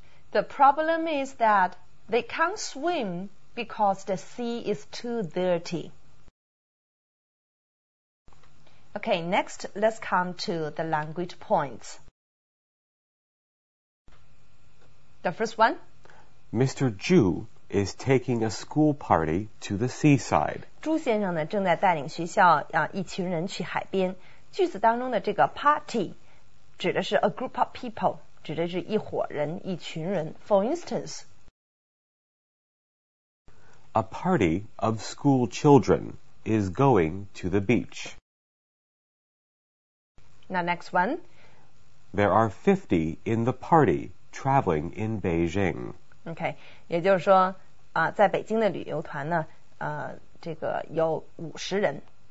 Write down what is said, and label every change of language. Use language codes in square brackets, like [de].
[en] The problem is that they can't swim because the sea is too dirty. Okay, next, let's come to the language points. The first one. Mr. Zhu is taking a school party to the seaside. [zh] 朱先生呢正在带领学校一群人去海边。句子当中的这个 party 指的是 [en] a group of people, [zh] 指的是一伙人、一群人。 [en] For instance, a party of school children is going to the beach. Now, next one. There are 50 in the party traveling in Beijing. [zh] Okay, 也就是说在北京的旅游团呢这个有50人。